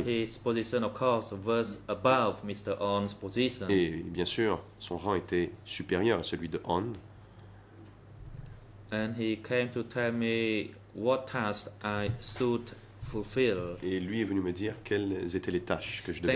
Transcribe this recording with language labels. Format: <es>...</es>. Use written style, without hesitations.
<en>But his position, of course, was above Mr. On's position.</en> <fr>Et bien sûr, son rang était supérieur à celui de On.</fr> <en>And he came to tell me what task I should fulfill.</en> <fr>Et lui est venu me dire quelles étaient les tâches que je devais</fr>